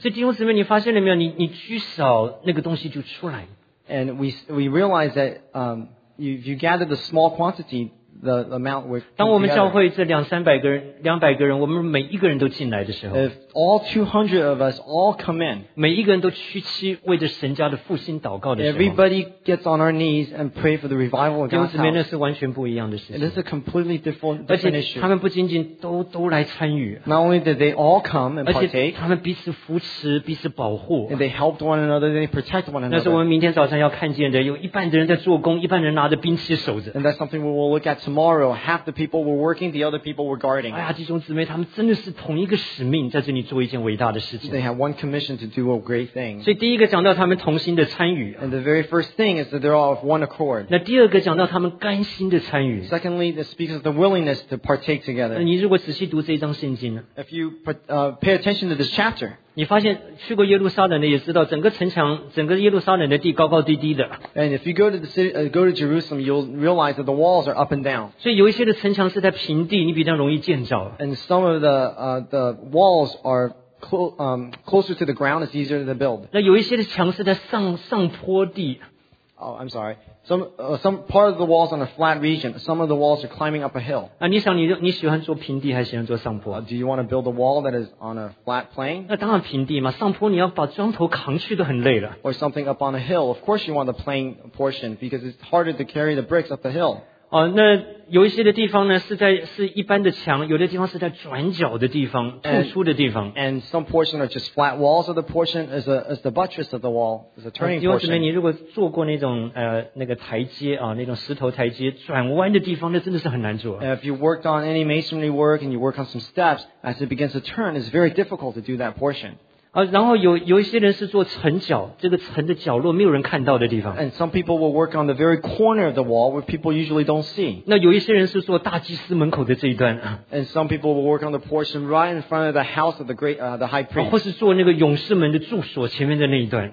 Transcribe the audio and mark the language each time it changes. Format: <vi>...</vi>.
<zh>所以弟兄姊妹你发现了没有 你居少那个东西就出来。</zh> <en>And we realize that, if you gather the small quantity, the amount would come.</en> <zh>当我们教会这两百个人我们每一个人都进来的时候。</zh> <en>If all 200 of us all come in,</en> <zh>每一个人都屈膝为着神家的复兴祷告的时候。</zh> <en>Everybody gets on our knees and pray for the revival of God's house.</en> <zh>弟兄姊妹那是完全不一样的事情。</zh> <en>It is a completely different issue.</en> <zh>而且他们不仅仅都来参与。</zh> <en>Not only did they all come and partake,</en> <zh>而且他们彼此扶持彼此保护。</zh> <en>And they helped one another, they protect one another.</en> <zh>那是我们明天早上要看见的有一半的人在做工一半的人拿着兵器守着。</zh> <en>And that's something we will look at tomorrow, half the people were working, the other people were guarding.</en> <zh>哎呀，弟兄姊妹，他们真的是同一个使命，在这里做一件伟大的事情。</zh> <en>They have one commission to do a great thing.</en> <zh>所以第一个讲到他们同心的参与。</zh> <en>And the very first thing is that they're all of one accord.</en> <zh>那第二个讲到他们甘心的参与。</zh> <en>Secondly, this speaks of the willingness to partake together.</en> <zh>你如果仔细读这一章圣经呢</zh> <en>？If you pay attention to this chapter,</en> <zh>你发现去过耶路撒冷的也知道，整个城墙，整个耶路撒冷的地高高低低的。</zh> <en>And if you go to the city, go to Jerusalem, you'll realize that the walls are up and down.</en> <zh>所以有一些的城墙是在平地，你比较容易建造。</zh> <en>And some of the walls are closer to the ground, it's easier to build.</en> <zh>那有一些的墙是在上坡地。</zh> <en>Oh, I'm sorry. Some part of the walls on a flat region. Some of the walls are climbing up a hill.</en> <zh>啊，你想你喜欢做平地还是喜欢做上坡</zh> <en>？Do you want to build a wall that is on a flat plain?</en> <zh>那当然平地嘛，上坡你要把砖头扛去都很累了。</zh> <en>Or something up on a hill. Of course, you want the plain portion because it's harder to carry the bricks up the hill.</en> <zh>哦、那有一些的地方呢是一般的墙有的地方是在转角的地方突出的地方</zh> <en>and some portion are just flat walls or the portion is the buttress of the wall is a turning portion</en> <zh>因为你如果做过那种、那个台阶、哦、那种石头台阶转弯的地方那真的是很难做</zh> <en>if you worked on any masonry work and you work on some steps as it begins to turn it's very difficult to do that portion</en> <zh>然后有一些人是做城角，这个城的角落没有人看到的地方。</zh> <en>And some people will work on the very corner of the wall where people usually don't see.</en> <zh>那有一些人是做大祭司门口的这一端。</zh> <en>And some people will work on the portion right in front of the house of the high priest.</en> <zh>或是做那个勇士门的住所前面的那一段。</zh>